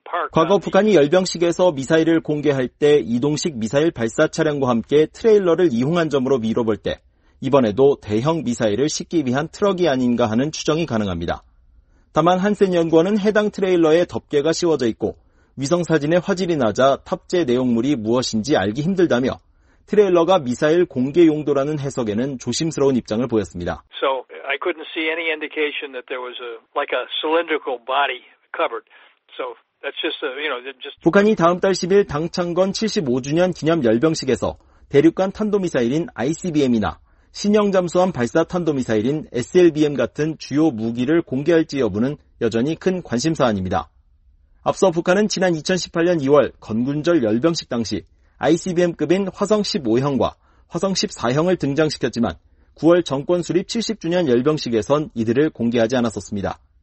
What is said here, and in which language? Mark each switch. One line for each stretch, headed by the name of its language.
Korean: 과거 북한이 열병식에서 미사일을 공개할 때 이동식 미사일 발사 차량과 함께 트레일러를 이용한 점으로 미뤄볼 때 이번에도 대형 미사일을 싣기 위한 트럭이 아닌가 하는 추정이 가능합니다. 다만 한센 연구원은 해당 트레일러에 덮개가 씌워져 있고 위성사진의 화질이 낮아 탑재 내용물이 무엇인지 알기 힘들다며 트레일러가 미사일 공개 용도라는 해석에는 조심스러운 입장을 보였습니다.
English: So I couldn't see any indication that there was a like a cylindrical body covered. So that's just a, you know, just
Korean: 북한이 다음 달 10일 당창건 75주년 기념 열병식에서 대륙간 탄도미사일인 ICBM이나 신형 잠수함 발사 탄도미사일인 SLBM 같은 주요 무기를 공개할지 여부는 여전히 큰 관심 사안입니다. 앞서 북한은 지난 2018년 2월 건군절 열병식 당시 ICBM급인 화성 15형과 화성 14형을 등장시켰지만 9월 정권 수립 70주년 열병식에선 이들을 공개하지 않았었습니다.